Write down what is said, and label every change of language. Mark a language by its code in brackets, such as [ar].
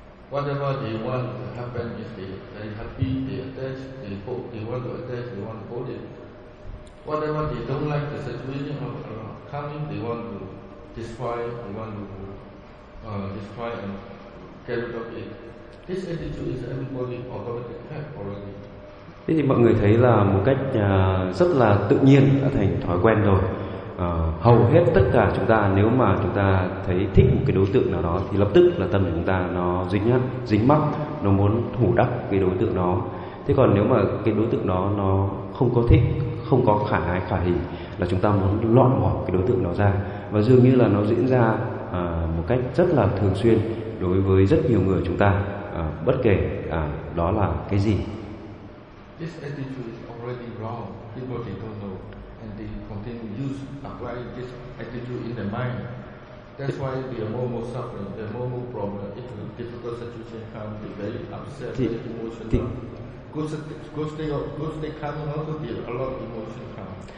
[en] Whatever they want to happen is they happy, they attach, they hope, they want to attach, they want to hold it. Whatever they don't like the situation of coming, they want to destroy, they want to destroy and get rid of it. This attitude is everybody automatic have already. [vi] Thế thì mọi người thấy là một cách rất là tự nhiên đã thành thói quen rồi. Hầu hết tất cả chúng ta, nếu mà chúng ta thấy thích một cái đối tượng nào đó, thì lập tức là tâm của chúng ta nó dính mắc, nó muốn thủ đắc cái đối tượng đó. Thế còn nếu mà cái đối tượng đó nó không có thích, không có khả ái khả hỉ, là chúng ta muốn loại bỏ cái đối tượng đó ra. Và dường như là nó diễn ra một cách rất là thường xuyên đối với rất nhiều người chúng ta, bất kể đó là cái gì. [en] This attitude is already wrong. People don't know. And they continue to use, apply this attitude in the mind. That's why they are more suffering, they are more problem. If a difficult situation comes, they are very upset, very emotional. Good state coming also, they have a lot of emotion come.